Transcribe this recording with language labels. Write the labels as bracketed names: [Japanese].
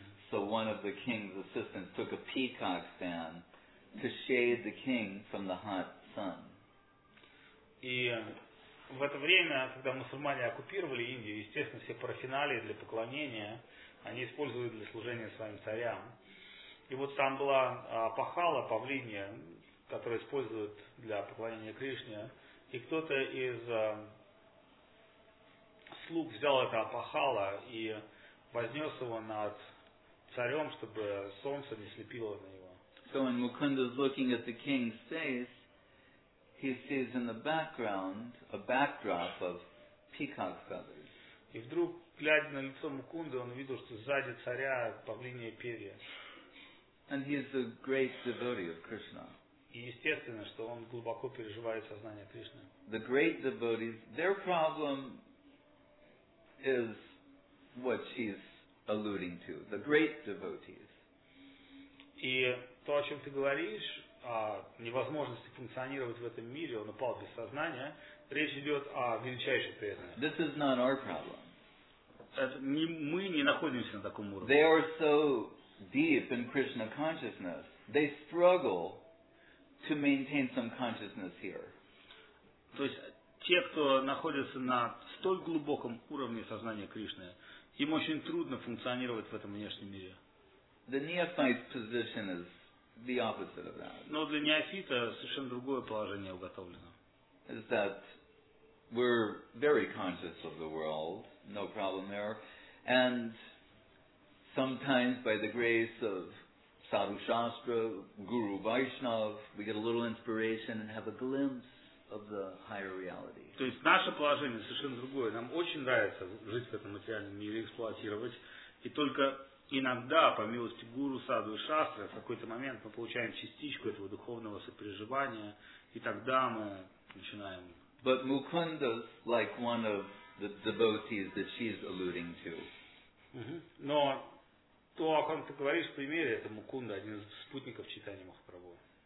[English] So one of the king's assistants took a peacock fan to shade the king from the hot sun. [Russian] И в это время, когда мусульмане оккупировали Индию, естественно, все парафиналии для поклонения они использовали для служения своим царям. И вот там была пахала, павлинья, которую используют для поклонения Кришне. И кто-то из слуг взял это пахала и вознес его над царем, чтобы солнце не слепило на него. [English] So when Mukunda is looking at the king's face, he sees in the background a backdrop of peacock feathers. [Russian] И вдруг, глядя на лицо Мукунды, он увидел, что сзади царя павлинье перья. [English] And he is a great devotee of Krishna. [Russian] И естественно, что он глубоко переживает сознание Кришны. [English] The great devotees, their problem is what she's alluding to. The great devotees. [Russian] И то, о чем ты говоришь, о невозможности функционировать в этом мире, он упал без сознания, речь идет о величайшей преданности. [English] This is not our problem. [Russian] Мы не находимся на таком уровне. [English] They are so deep in Krishna consciousness, they struggle to maintain some consciousness here. [Russian] То есть те, кто находится на столь глубоком уровне сознания Кришны, им очень трудно функционировать в этом внешнем мире. [English] The neophyte position is the opposite of that. [Russian] Но для неофита совершенно другое положение уготовлено. [English] Is that we're very conscious of the world, no problem there. And sometimes by the grace of Sadhu Shastra, Guru Vaishnav, we get a little inspiration and have a glimpse of the higher reality. [Russian] То есть наше положение совершенно другое. Нам очень нравится жить в этом материальном мире, эксплуатировать. И только иногда, по милости Гуру, Саду и Шастры, в какой-то момент мы получаем частичку этого духовного сопереживания, и тогда мы начинаем. [English] But Mukunda, like one of the devotees that she's alluding to. [Russian] Но то, о ком ты говоришь в примере, это Мукунда, один из спутников читания Махапрабху.